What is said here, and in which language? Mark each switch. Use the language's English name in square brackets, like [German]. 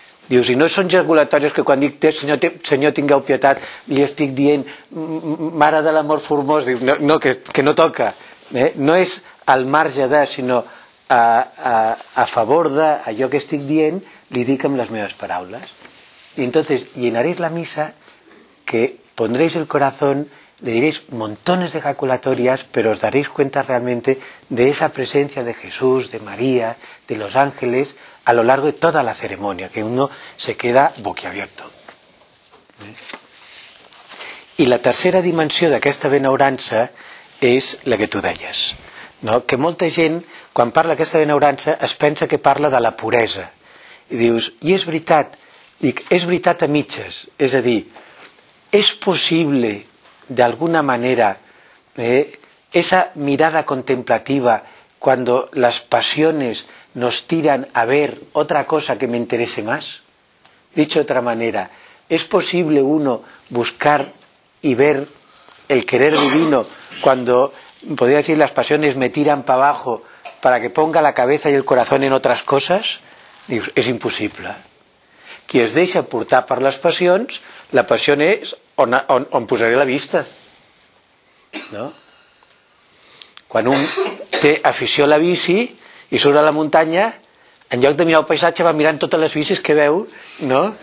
[Catalan] Dius, i no són ejaculatòries que quan dic, Senyor, Senyor, tingueu pietat, li estic dient, Mare de l'amor formós, dius, no, no, que no toca. No és al marge de, sinó a favor d'allò que estic dient, li dic amb les meves paraules. I [Spanish] entonces, llenaréis la missa, que pondréis el corazón, le diréis montones de ejaculatòries, [Catalan] però [Spanish] os daréis cuenta realmente de esa presencia de Jesús, de María, de los ángeles, a lo largo de toda la ceremonia, que uno se queda boquiabierto. [Catalan] I la tercera dimensió d'aquesta benaurança és la que tu deies, no? Que molta gent, quan parla d'aquesta benaurança, es pensa que parla de la puresa. I dius, i és veritat, dic, és veritat a mitges. És a dir, és possible, d'alguna manera, [Spanish] esa mirada contemplativa, [Catalan] quan les passions [Spanish] nos tiran a ver otra cosa que me interese más? Dicho de otra manera, ¿es posible uno buscar y ver el querer divino cuando, podría decir, las pasiones me tiran para abajo para que ponga la cabeza y el corazón en otras cosas? Digo, es imposible. [Catalan] Qui es deixa portar per les passions, la passió és on posaré la vista, no? Quan un té afició a la bici i surt a la muntanya, en lloc de mirar el paisatge, va mirant totes les bicis que veu, no?